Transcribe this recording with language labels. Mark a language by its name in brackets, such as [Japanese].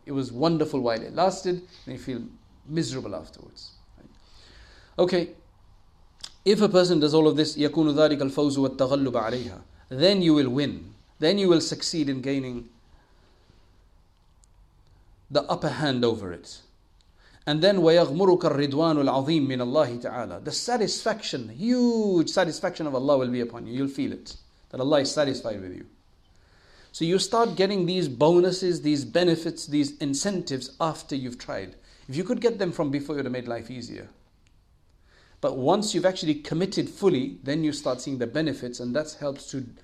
[English] It was wonderful while it lasted, and you feel miserable afterwards. Right? Okay, if a person does all of this, [Arabic] يَكُونُ ذَلِكَ الْفَوْزُ وَالتَّغَلُّبَ عَلَيْهَا, [English] then you will win. Then you will succeed in gaining the upper hand over it. And then [Arabic] وَيَغْمُرُكَ الرِّدْوَانُ الْعَظِيمُ مِنَ اللَّهِ تَعَالَى. [English] The satisfaction, huge satisfaction of Allah will be upon you. You'll feel it, that Allah is satisfied with you. So you start getting these bonuses, these benefits, these incentives after you've tried. If you could get them from before, you'd have made life easier. But once you've actually committed fully, then you start seeing the benefits, and that helps to...